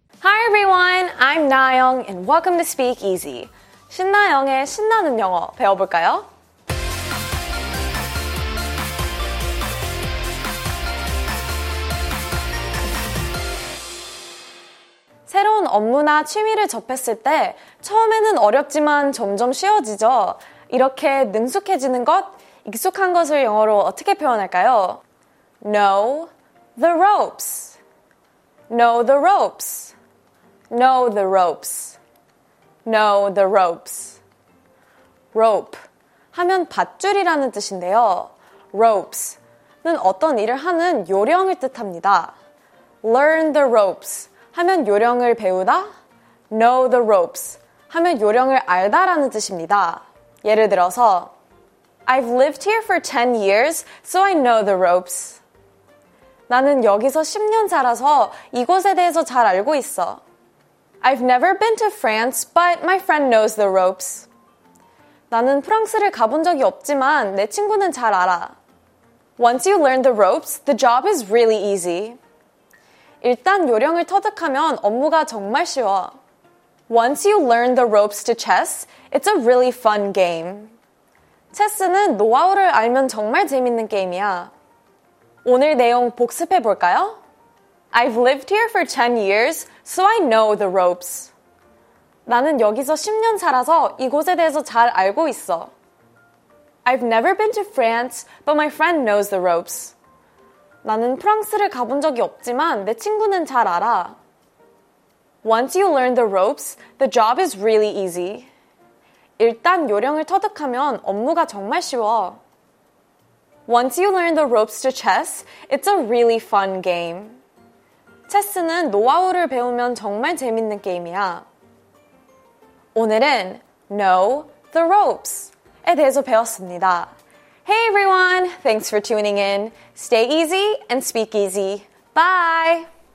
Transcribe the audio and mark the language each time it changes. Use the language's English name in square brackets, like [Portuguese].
[English] Hi everyone, I'm Nayoung and welcome to Speak Easy. [Korean] 신나영의 신나는 영어 배워볼까요? 새로운 업무나 취미를 접했을 때 처음에는 어렵지만 점점 쉬워지죠. 이렇게 능숙해지는 것, 익숙한 것을 영어로 어떻게 표현할까요? [English] Know the ropes. Know the ropes. Know the ropes. Know the ropes. [Korean] Rope 하면 밧줄이라는 뜻인데요. Ropes는 어떤 일을 하는 요령을 뜻합니다. [English] Learn the ropes [Korean] 하면 요령을 배우다. [English] Know the ropes [Korean] 하면 요령을 알다라는 뜻입니다. 예를 들어서 [English] I've lived here for 10 years, so I know the ropes. [Korean] 나는 여기서 10년 살아서 이곳에 대해서 잘 알고 있어. [English] I've never been to France, but my friend knows the ropes. [Korean] 나는 프랑스를 가본 적이 없지만 내 친구는 잘 알아. [English] Once you learn the ropes, the job is really easy. [Korean] 일단 요령을 터득하면 업무가 정말 쉬워. [English] Once you learn the ropes to chess, it's a really fun game. [Korean] 체스는 노하우를 알면 정말 재밌는 게임이야. 오늘 내용 복습해 볼까요? [English] I've lived here for 10 years, so I know the ropes. [Korean] 나는 여기서 10년 살아서 이곳에 대해서 잘 알고 있어. [English] I've never been to France, but my friend knows the ropes. [Korean] 나는 프랑스를 가본 적이 없지만 내 친구는 잘 알아. [English] Once you learn the ropes, the job is really easy. [Korean] 일단 요령을 터득하면 업무가 정말 쉬워. [English] Once you learn the ropes to chess, it's a really fun game. [Korean] 체스는 노하우를 배우면 정말 재밌는 게임이야. 오늘은 Know the Ropes 에 대해서 배웠습니다. [English] Hey everyone! Thanks for tuning in. Stay easy and speak easy. Bye!